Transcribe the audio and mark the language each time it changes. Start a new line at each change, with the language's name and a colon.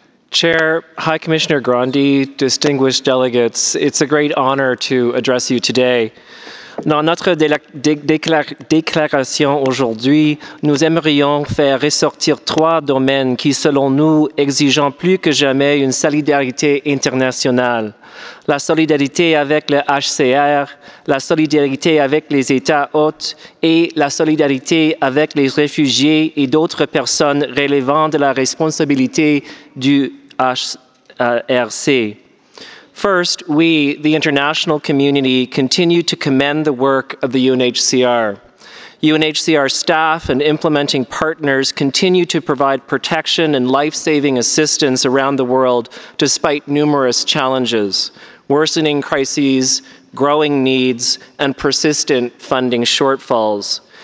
English: Chair, High Commissioner Grandi, distinguished delegates, it's a great honor to address you today.
French: Dans notre déclaration aujourd'hui, nous aimerions faire ressortir trois domaines qui, selon nous, exigent plus que jamais une solidarité internationale. La solidarité avec le HCR, la solidarité avec les États hôtes et la solidarité avec les réfugiés et d'autres personnes relevant de la responsabilité du HRC.
English: First, we, the international community, continue to commend the work of the UNHCR. UNHCR staff and implementing partners continue to provide protection and life-saving assistance around the world despite numerous challenges, worsening crises, growing needs, and persistent funding shortfalls.